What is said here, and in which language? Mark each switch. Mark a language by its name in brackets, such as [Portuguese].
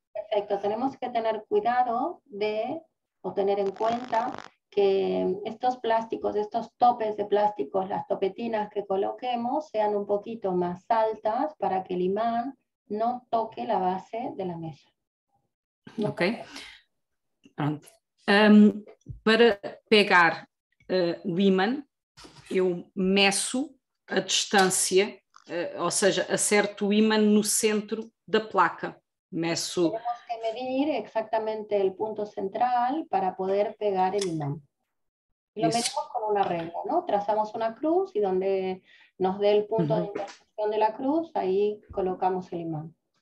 [Spanish] Perfecto, tenemos que tener cuidado de o tener en cuenta que estos plásticos, estos topes de plásticos, las topetinas que coloquemos sean un poquito más altas para que el imán no toque la base de la mesa. No Ok, toque. [Portuguese] pronto. Para pegar o ímã, eu meço a distância, ou seja, acerto o ímã no centro da placa. Meço. [Spanish] Medir exactamente el punto central para poder pegar el imán. Y lo medimos [Portuguese] Isso. [Spanish] con una regla, ¿no? Trazamos una cruz y donde nos dé el punto de intersección de la cruz, ahí colocamos el imán.